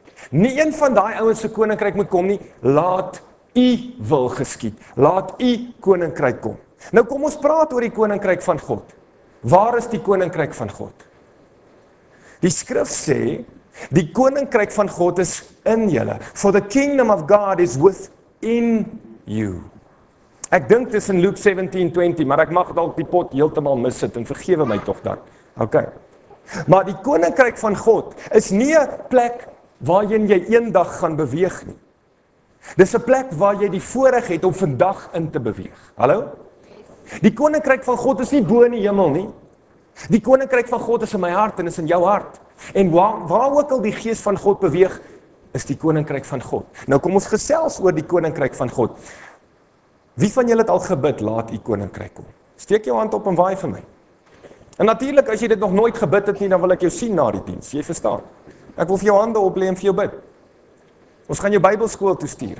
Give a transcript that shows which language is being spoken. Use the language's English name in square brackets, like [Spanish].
[Afrikaans] Nie een van daai ouens se koninkryk moet kom nie, laat U wil geskied. Laat U koninkryk kom. Nou kom ons praat oor die koninkryk van God. Waar is die koninkryk van God? Die skrif sê, die koninkryk van God is in julle. [English] For the kingdom of God is within you. [Afrikaans] Ek dink dis in Luke 17:20, maar ek mag dalk die pot heeltemal missit en vergewe my tog dan. Okay. Maar die koninkryk van God is nie 'n plek waarheen jy eendag gaan beweeg nie. Dis 'n plek waar jy die voorreg het om vandag in te beweeg. Hallo? Die koninkryk van God is nie bo in die hemel nie. Die koninkryk van God is in my hart en is in jou hart. En waar ook al die gees van God beweeg, is die koninkryk van God. Nou kom ons gesels oor die koninkryk van God. Wie van julle het al gebid, laat u koninkryk kom? Steek jou hand op en waai vir my. En natuurlik, as jy dit nog nooit gebid het nie, dan wil ek jou sien na die diens. Jy verstaan. Ek wil vir jou hande oplê en vir jou bid. Ons gaan jou Bybelskool toe stuur.